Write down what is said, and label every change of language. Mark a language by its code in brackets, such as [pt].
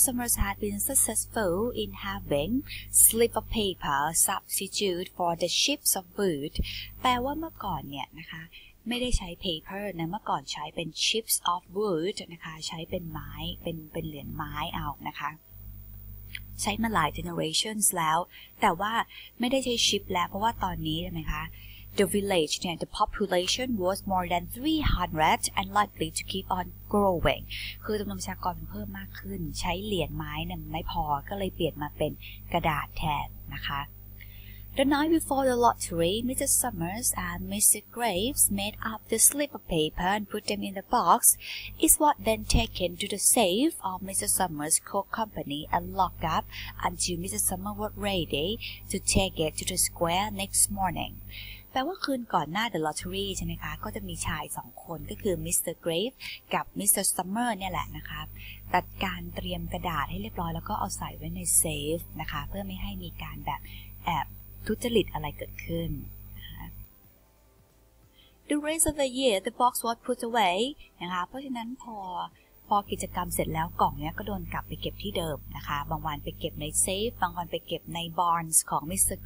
[en] Summers had been successful in having slip of paper substitute for the chips of wood. [th] แปลว่าเมื่อก่อนเนี่ยนะคะไม่ได้ใช้ paper นะเมื่อก่อนใช้เป็น chips of wood นะคะใช้เป็นไม้เป็นเหรียญไม้เอานะคะใช้มาหลาย generations แล้วแต่ว่าไม่ได้ใช้ chip แล้วเพราะว่าตอนนี้ใช่ไหมคะ [en] The village, yeah, the population was more than 300 and likely to keep on growing. [th] คือจำนวนประชากรเพิ่มมากขึ้นใช้เหรียญไม้เนี่ยไม่พอก็เลยเปลี่ยนมาเป็นกระดาษแทนนะคะ [en] The night before the lottery, Mr. Summers and Mr. Graves made up the slip of paper and put them in the box. It was then taken to the safe of Mr. Summers' coat company and locked up until Mr. Summers was ready to take it to the square next morning. [th] แปลว่าคืนก่อนหน้า the lottery ใช่ไหมคะก็จะมีชาย2คนก็คือ Mr. Grave กับ Mr. Summer เนี่ยแหละนะคะจัดการเตรียมกระดาษให้เรียบร้อยแล้วก็เอาใส่ไว้ในเซฟนะคะเพื่อไม่ให้มีการแบบแอบทุจริตอะไรเกิดขึ้นนะคะ [en] The rest of the year the box was put away [th] นะคะเพราะฉะนั้นพอกิจกรรมเสร็จแล้วกล่องเนี้ยก็โดนกลับไปเก็บที่เดิมนะคะบางวันไปเก็บในเซฟบางวันไปเก็บใน barns ของ Mr.